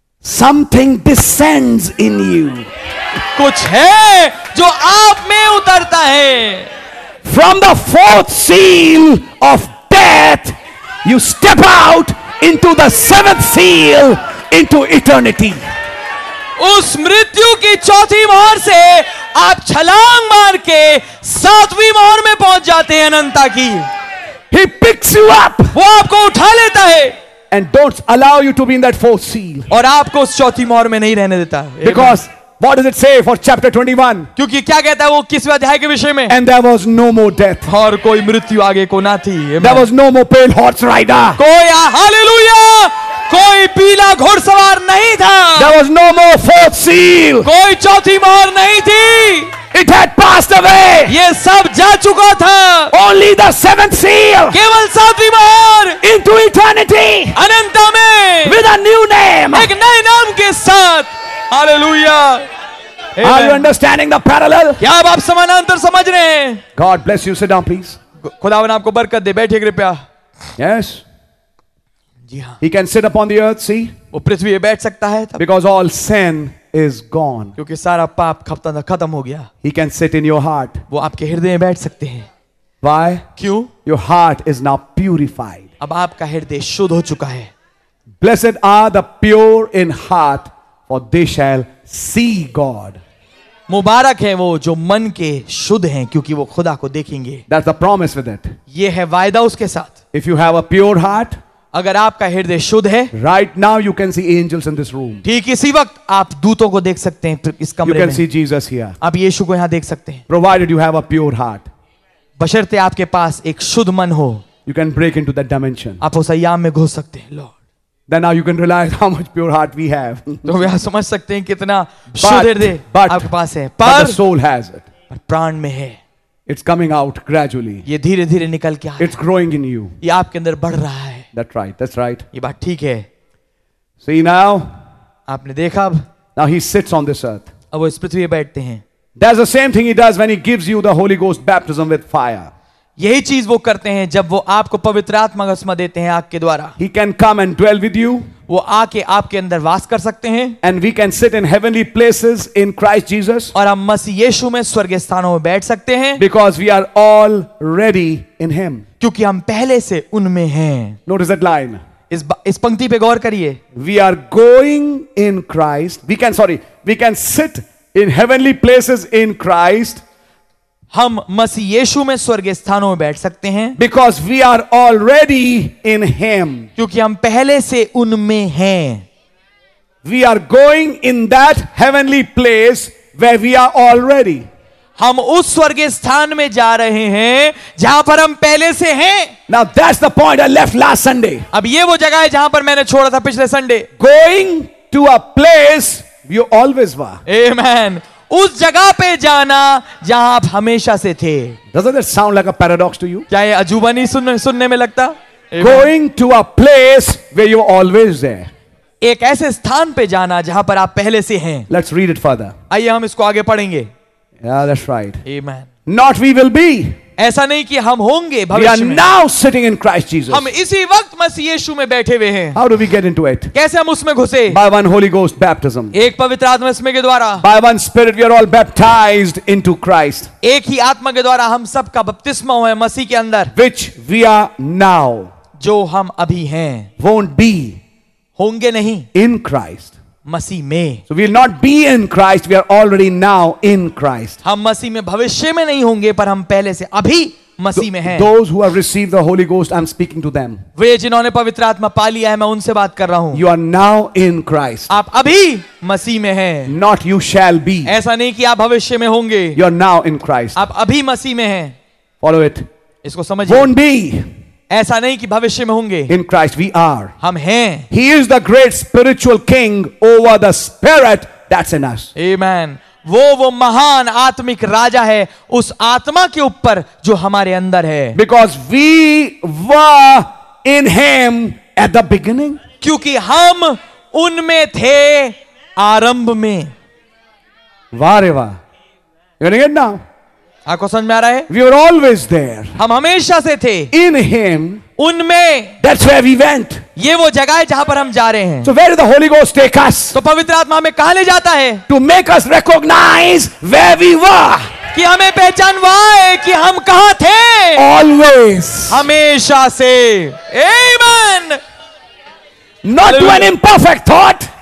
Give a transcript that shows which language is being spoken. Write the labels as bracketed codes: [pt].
[en] Something descends in you. [hi] कुछ है जो आप में उतरता है. [en] From the fourth seal of death, you step out into the seventh seal, into eternity. [hi] उस मृत्यु की चौथी मोहर से आप छलांग मार के सातवीं मोहर में पहुंच जाते हैं अनंतता की. [en] He picks you up. [hi] वो आपको उठा लेता है. [en] And don't allow you to be in that fourth seal. [hi] और आपको उस चौथी मोहर में नहीं रहने देता. [en] Because what does it say for chapter 21? [hi] क्योंकि क्या कहता है वो किसवें अध्याय के विषय में? [en] And there was no more death. [hi] और कोई मृत्यु आगे को ना थी. [en] There was no more pale horse rider. [hi] कोई हालेलुया कोई पीला घोड़सवार नहीं था. [en] There was no more fourth seal. [hi] कोई चौथी मोहर नहीं थी. [en] It had passed away. [hi] ये सब जा चुका था. [en] Only the seventh seal. [hi] केवल सातवीं मोहर. [en] Into eternity. [hi] अनंत में. [en] With a new name. [hi] एक नए नाम के साथ. [en] Hallelujah. Are you understanding the parallel? [hi] क्या आप समानांतर समझ रहे हैं? [en] God bless you. Sit down, please. [hi] खुदावन आपको बरकत दे. बैठिए कृपया. [en] Yes. [hi] जी हाँ. [en] He can sit upon the earth. See. [hi] वो पृथ्वी पे बैठ सकता है. [en] Because all sin is gone. [hi] क्योंकि सारा पाप खत्म हो गया. [en] He can sit in your heart. [hi] वो आपके हृदय में बैठ सकते हैं. [en] Why? [hi] क्यों? [en] Your heart is now purified. [hi] अब आपका हृदय शुद्ध हो चुका है. [en] Blessed are the pure in heart, for they shall see God. [hi] मुबारक है वो जो मन के शुद्ध हैं क्योंकि वो खुदा को देखेंगे. [en] That's the promise with it. [hi] ये है वायदा उसके साथ. [en] If you have a pure heart, [hi] अगर आपका हृदय शुद्ध है, [en] right now you can see angels in this room. [hi] ठीक इसी वक्त आप दूतों को देख सकते हैं इस कमरे में. [en] You can see Jesus here. [hi] आप यीशु को यहाँ देख सकते हैं. [en] Provided you have a pure heart. [hi] बशर्ते आपके पास एक शुद्ध मन हो. [en] You can break into that dimension. [hi] आप उस आयाम में घुस सकते हैं. [en] Lord. Then now you can realize how much pure heart we have. [hi] तो वे आप समझ सकते हैं कितना शुद्ध हृदय आपके पास है. [en] But the soul has it. [hi] पर प्राण में है. [en] It's coming out gradually. [hi] ये धीरे-धीरे निकल के आ रहा है. [en] It's growing in you. [hi] ये आपके अंदर बढ़ रहा है. [en] That's right. [hi] ये बात ठीक है. [en] See now. [hi] आपने देखा अब. [en] Now he sits on this earth. [hi] अब वो इस पृथ्वी पे बैठते हैं. [en] That's the same thing he does when he gives you the Holy Ghost baptism with fire. [hi] यही चीज वो करते हैं जब वो आपको पवित्र आत्मा का उसमें देते हैं आग के द्वारा. [en] He can come and dwell with you. [hi] वो आके आपके अंदर वास कर सकते हैं. [en] And we can sit in heavenly places in Christ Jesus. [hi] और हम मसीह यीशु में स्वर्गीय स्थानों में बैठ सकते हैं. [en] Because we are already in Him. [hi] क्योंकि हम पहले से उनमें हैं. [en] Notice that line. [hi] इस पंक्ति पे गौर करिए. [en] We are going in Christ. We can sit in heavenly places in Christ. [hi] हम मसीह यीशु में स्वर्गीय स्थानों में बैठ सकते हैं. [en] Because we are already in him. [hi] क्योंकि हम पहले से उनमें हैं. [en] We are going in that heavenly place where we are already. [hi] हम उस स्वर्गीय स्थान में जा रहे हैं जहां पर हम पहले से हैं. [en] Now that's the point I left last Sunday. [hi] अब ये वो जगह है जहां पर मैंने छोड़ा था पिछले Sunday. [en] Going to a place you always were. [hi] आमेन. उस जगह पे जाना जहां आप हमेशा से थे. [en] Doesn't that sound like a paradox to you? [hi] क्या ये अजूबा नहीं सुनने में लगता? [en] Going to a place where you're always there. [hi] एक ऐसे स्थान पे जाना जहां पर आप पहले से हैं. [en] Let's read it further. [hi] आइए हम इसको आगे पढ़ेंगे. [en] Yeah, that's right. Amen. Not we will be. [hi] ऐसा नहीं कि हम होंगे भविष्य में. [en] We are now sitting in Christ Jesus. [hi] हम इसी वक्त मसीह यीशु में बैठे हुए हैं. [en] How do we get into it? [hi] कैसे हम उसमें घुसे? [en] By one Holy Ghost baptism. [hi] एक पवित्र आत्मा इसमें के द्वारा. [en] By one Spirit we are all baptized into Christ. [hi] एक ही आत्मा के द्वारा हम सब का बपतिस्मा हुआ है मसीह के अंदर. [en] Which we are now. [hi] जो हम अभी हैं. [en] Won't be. [hi] होंगे नहीं. [en] In Christ. [hi] मसीह में. [en] So we will not be in Christ. We are already now in Christ. [hi] हम मसीह में भविष्य में नहीं होंगे पर हम पहले से अभी मसीह में हैं. [en] Those who have received the Holy Ghost, I'm speaking to them. [hi] वे जिन्होंने पवित्र आत्मा पा लिया है मैं उनसे बात कर रहा हूँ. [en] You are now in Christ. [hi] आप अभी मसीह में हैं. [en] Not you shall be. [hi] ऐसा नहीं कि आप भविष्य में होंगे. [en] You are now in Christ. [hi] आप अभी मसीह में हैं. [en] Follow it. [hi] इसको समझिए. [en] Won't be. [hi] ऐसा नहीं कि भविष्य में होंगे. [en] In Christ we are. [hi] हम हैं. [en] He is the great spiritual king over the spirit that's in us. Amen. [hi] वो महान आत्मिक राजा है उस आत्मा के ऊपर जो हमारे अंदर है. [en] Because we were in him at the beginning. [hi] क्योंकि हम उनमें थे आरंभ में. वाह रे वाह. [en] You're gonna get now. [hi] आपको समझ में आ रहा है? [en] We were always there. [hi] हम हमेशा से थे. [en] In Him. [hi] उनमें. [en] That's where we went. [hi] ये वो जगह है जहाँ पर हम जा रहे हैं. [en] So where did the Holy Ghost take us? [hi] तो पवित्र आत्मा हमें कहाँ ले जाता है? [en] To make us recognize where we were. [hi] कि हमें पहचानवाए कि हम कहाँ थे? [en] Always. [hi] हमेशा से. [en] Amen. Not to an imperfect thought.